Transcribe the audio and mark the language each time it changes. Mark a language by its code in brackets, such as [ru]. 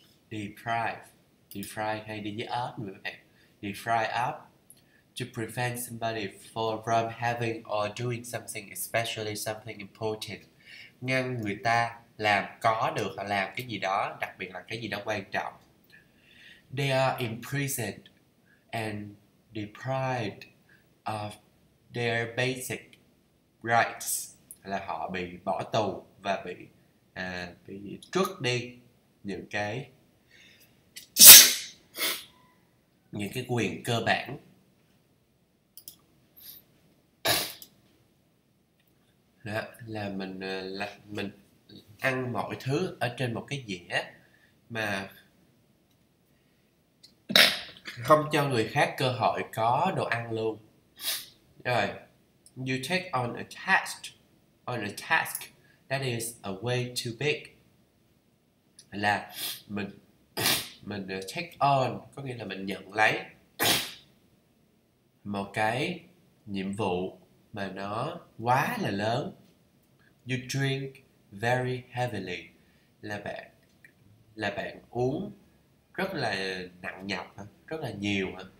[vi] Deprive Deprive hay đi với up nữa bạn. Deprive up. [en] To prevent somebody for from having or doing something, especially something important. [vi] Ngăn người ta làm có được hoặc làm cái gì đó, đặc biệt là cái gì đó quan trọng. [en] They are imprisoned and deprived of their basic rights. [vi] Là họ bị bỏ tù và bị truất đi những cái quyền cơ bản. Đó, là mình ăn mọi thứ ở trên một cái dĩa mà không cho người khác cơ hội có đồ ăn luôn. [en] Rồi, you take on a task that is a way too big. [vi] Là mình take on có nghĩa là mình nhận lấy một cái nhiệm vụ mà nó quá là lớn. [en] You drink very heavily [vi] là bạn uống rất là nặng nhọc, rất là nhiều.